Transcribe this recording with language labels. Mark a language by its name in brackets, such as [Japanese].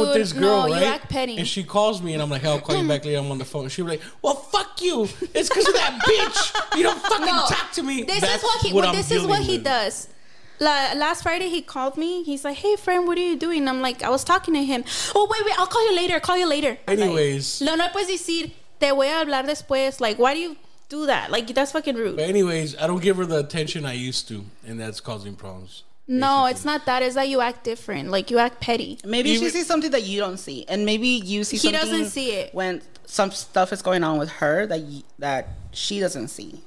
[English] with this girl, no, right? You act petty. And she calls me, and I'm like, hey, I'll call you back later. I'm on the phone. She'll be like, well, fuck you. It's because of that bitch. You don't fucking talk to me. This is what he does. Last Friday, he called me. He's like, hey, friend, what are you doing? I'm like, I was talking to him. Oh, wait, I'll call you later. Anyways. Like, [Spanish] no, puedes decir, te voy a hablar después. [English] Like, why do you do that? Like, that's fucking rude. But anyways, I don't give her the attention I used to, and that's causing problems. No, basically. It's not that. It's that you act different. Like, you act petty. Maybe she sees something that you don't see, and maybe you see something. He doesn't see it. When some stuff is going on with her that she doesn't see.